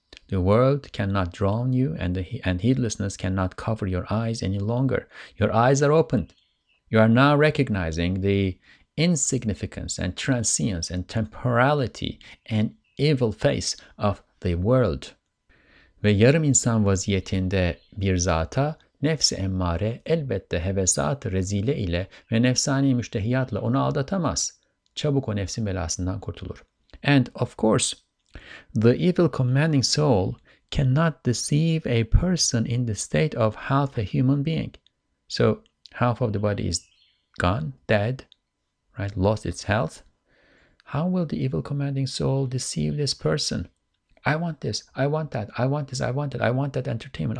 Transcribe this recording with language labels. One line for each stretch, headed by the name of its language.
English: The world cannot drown you, and heedlessness cannot cover your eyes any longer. Your eyes are opened. You are now recognizing the insignificance and transience and temporality and evil face of the world.
Turkish: Ve yarım insan vaziyetinde bir zata nefs-i emmare elbette hevesat-ı rezile ile ve nefsani müştehiyatla onu aldatamaz. Çabuk o nefsin belasından kurtulur.
English: And of course, the evil commanding soul cannot deceive a person in the state of half a human being. So half of the body is gone, dead, right? Lost its health. How will the evil commanding soul deceive this person? I want this, I want that, I want this, I want it, I want that entertainment.